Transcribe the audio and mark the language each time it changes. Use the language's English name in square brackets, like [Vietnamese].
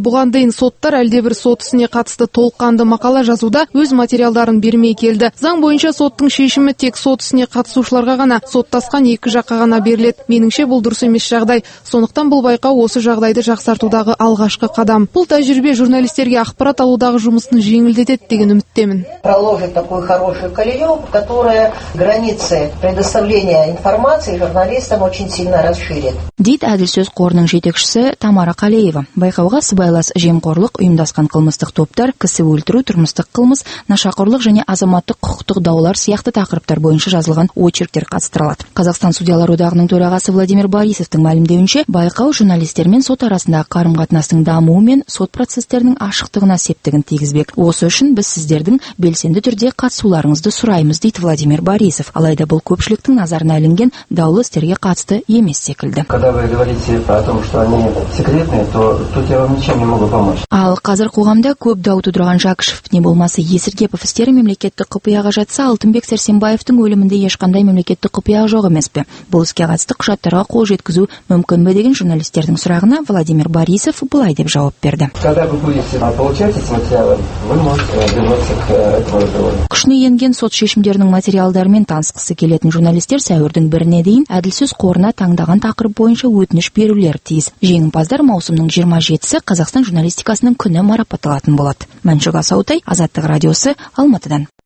[Kazakh] Бұған дейін соттар әлдебір сот ісіне қатысты толыққанды мақала жазуда өз материалдарын бермей келді. Заң бойынша соттың шешімі тек сот ісіне қатысушыларға ғана соттасқан екі жаққа ғана беріледі. Меніңше бұл дұрыс емес жағдай. Сондықтан бұл байқау осы жағдайды жақсартудағы алғашқы қадам. Бұл тәжірибе журналистерге ақпарат алудағы жұмысын жеңілдетеді деген үміттемін. [Russian] Проложит такую хорошую колею, которая границы предоставления информации журналистам очень сильно расширит. [Kazakh] Дит әділ сөз қорының жетекшісі Тамара Қалеева. Байқауға сыбайлас жемқорлық, ұйымдасқан қылмыстық топтар, кісі өлтіру, тұрмыстық қылмыс, нашақорлық және азаматтық құқықтық даулар сияқты тақырыптар бойынша жазылған очерктер қатыстырылады. Қазақстан судьялар одағының төрағасы Владимир Борисовтың мәлімдеуінше, байқау журналистер мен сот арасындағы қарым-қатынастың дамуы мен сот процестерінің ашықтығына септігін тигізбек. Осы үшін біз сіздердің белсенді түрде қатысуларыңызды сұраймыз, дейді Владимир Борисов. Алайда бұл көпшіліктің назарына ілінген даулы істерге қатысты емес секілді. [Russian] Когда вы говорите о том, что они секретные, то тут я вам ничем не могу помочь. [Kazakh] Ал қазір қоғамда көп дау тудырған Жакшев, не болмаса Есіргепов істері мемлекеттік құпияға жатса, Алтынбек Сәрсенбаевтың өлімінде ешқандай мемлекеттік құпия жоқ емес пе? Бұл іске қатысты құжаттарға қол жеткізу мүмкін бе деген журналистердің сұрағына Владимир Борисов былай деп жауап берді. [Russian] Когда вы будете получать эти материалы, вы можете вернуться к этому разговору. [Kazakh] Күшіне енген сот шешімдерінің материалдарымен танысқысы келетін журналистер сәуірдің біріне дейін әділсіз қорына таңдаған тақырып бойынша өтініш берулер тиіс. Жеңімпаздар маусымның 27-сі Қазақстан журналистикасының күні марапатталатын болады. Мәншүк Асаутай, Азаттық радиосы, Алматыдан.